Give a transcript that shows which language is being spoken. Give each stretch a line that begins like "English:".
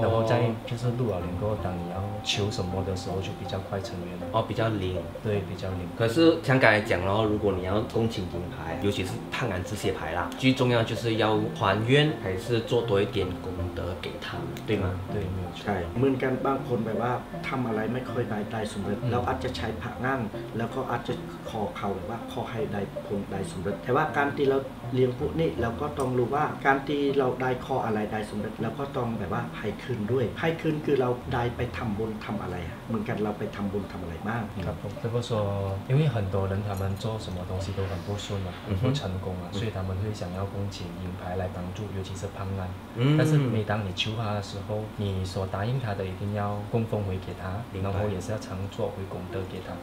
Chinese: 然后在就是入了灵过后，当你要求什么的时候，就比较快成缘了。哦，比较灵，对，比较灵。可是像刚才讲了，如果你要恭请银牌，尤其是探安这些牌啦，最重要就是要还愿，还是做多一点功德给他们，对吗？对，没有错。
Thai: ใช่เหมือนกันบางคนแบบว่าทำอะไรไม่ค่อยได้ได้สมบัติแล้วอาจจะใช้ผ้างั้นแล้วก็อาจจะขอเขาแบบว่าขอให้ได้ผลได้สมบัติแต่ว่าการที่เราเลี้ยงพวกนี้เราก็ต้องรู้ว่าการที่เราได้ขออะไรได้สมบัติแล้วก็ต้องแบบว่าให้คืนด้วยให้คืนคือเราได้ไปทำบุญทำอะไรเหมือนกันเราไปทำบุญทำอะไรบ้าง ครับผมแล้วก็ส่วน
Chinese: 因为很多人他们做什么东西都很不顺嘛不成功啊所以他们会想要恭请银牌来帮助尤其是攀安但是每当你求他的时候你所答应他的一定要供奉回给他然后也是要常做回功德给他